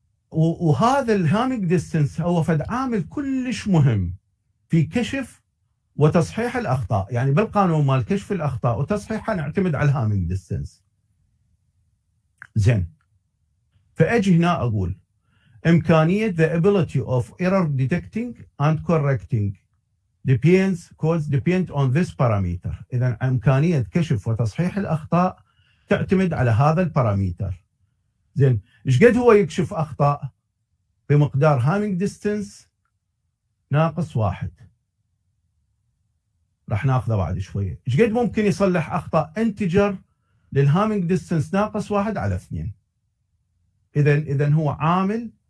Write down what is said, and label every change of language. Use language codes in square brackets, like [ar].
[ar] وهذا الهامينج ديستنس هو فد عامل كلش مهم في كشف وتصحيح الاخطاء. يعني بالقانون مال كشف الاخطاء وتصحيحها نعتمد على الهامينج ديستنس زين. فاجي هنا اقول امكانيه [en] the ability of error detecting and correcting depends on this parameter. [ar] اذا امكانيه كشف وتصحيح الاخطاء تعتمد على هذا الباراميتر زين. ايش قد هو يكشف اخطاء؟ بمقدار هامينج ديستنس ناقص 1. راح ناخذه بعد شويه. ايش قد ممكن يصلح اخطاء انتجر للهامينج ديستنس ناقص 1 على 2؟ اذا هو عامل